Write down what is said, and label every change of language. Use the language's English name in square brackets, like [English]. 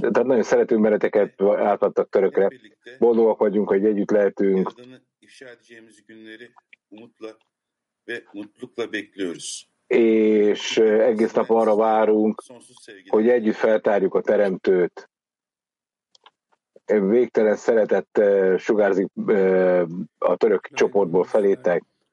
[Hungarian] Tehát nagyon szeretünk benneteket, átadtak törökre. Boldogak vagyunk, hogy együtt lehetünk. [Turkish] İfşa edeceğimiz günleri umutla ve mutlulukla bekliyoruz. [Hungarian] És egész nap arra várunk, hogy együtt feltárjuk a teremtőt. Végtelen szeretet sugárzik a török csoportból felétek.